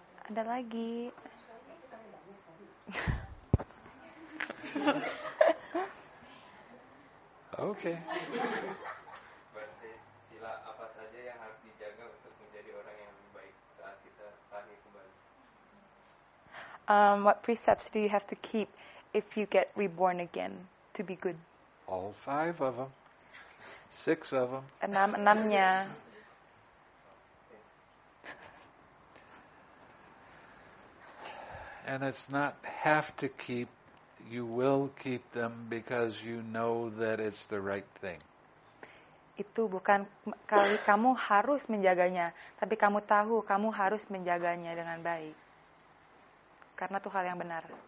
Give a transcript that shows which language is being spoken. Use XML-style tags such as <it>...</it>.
<id>Ada lagi.</id> <en>Okay.</en> <id>Berarti sila apa saja yang harus dijaga untuk menjadi orang yang baik saat kita lahir kembali?</id> <en>What precepts do you have to keep if you get reborn again to be good? All 5 of them. 6 of them.</en> <id>Enamnya.</id> <en>And it's not have to keep. You will keep them because you know that it's the right thing.</en> <id>Itu bukan kali kamu harus menjaganya, tapi kamu tahu kamu harus menjaganya dengan baik. Karena itu hal yang benar.</id>